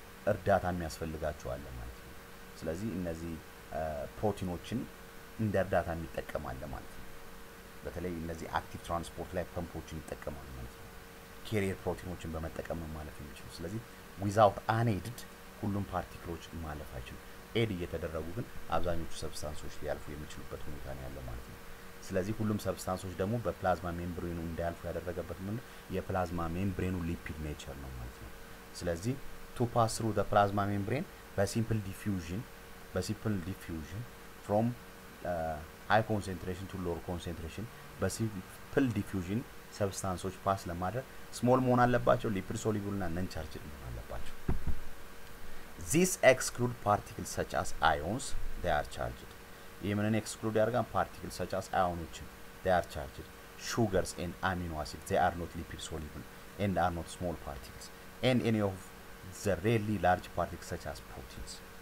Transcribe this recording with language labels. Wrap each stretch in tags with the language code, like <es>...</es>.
<am>እርዳታ የሚያስፈልጋቸው አለ ማለት ነው። ስለዚህ እነዚህ proteinዎችን እንደ እርዳታ የሚጠቀማሉ ማለት ነው። በተለይ እነዚህ active transport ላይ pumpዎችን ይጠቀማሉ ማለት ነው። carrier proteinዎችን በመጠቀም ማለፍ የሚችሉ ስለዚህ</am> <en>without unaided</en> <am>ሁሉም particles ማለፍ አይችሉም። aid እየተደረጉ ግን አብዛኞቹ substances ሊያልፉ የሚችሉበት ሁኔታ ነው ያለው ማለት ነው። ስለዚህ ሁሉም ሰብስታንሶች ደግሞ በፕላዝማ ሜምብሬኑ እንዳልፉ ያደረገበት ምን የፕላዝማ ሜምብሬኑ ሊፒድ ኔቸር ነው ማለት ነው። ስለዚህ</am> <en>ቱ ፓስ ትሩ ዘ ፕላዝማ ሜምብሬን</en> <am>በሲምፕል ዲፊውዥን</am> <en>from high concentration to lower concentration</en> <am>በሲምፕል ዲፊውዥን ሰብስታንሶች ፓስ ለማድረግ ስሞል መሆን አለባቸው ሊፒድ ሶሊቡል እና ነን ቻርጅድ መሆን አለባቸው።</am> <en>These exclude particles such as ions, they are charged.</en> <am>ይህምንን</am> <en>exclude</en> <am>ያርጋን</am> <en>particles such as ions, they are charged. Sugars and amino acids, they are not lipid soluble and are not small particles. And any of the really large particles such as proteins.</en>